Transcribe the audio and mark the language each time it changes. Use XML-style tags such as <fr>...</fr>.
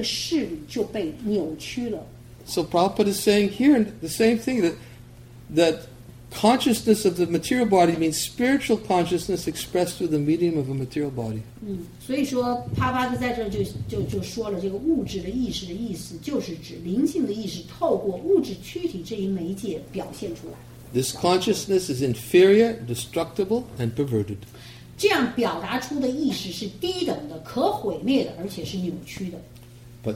<zh>但是透过这个物质的身躯的话，整个那个视力就被扭曲了。</zh> <en>So Prabhupada is saying here the same thing, that consciousness of the material body means spiritual consciousness expressed through the medium of a material body.</en> <zh>所以说帕巴特在这就说了这个物质的意识的意思就是指灵性的意识透过物质躯体这一媒介表现出来。</zh> <en>This consciousness is inferior, destructible, and perverted.</en> <zh>这样表达出的意识是低等的、可毁灭的，而且是扭曲的。</zh> <en>But</en>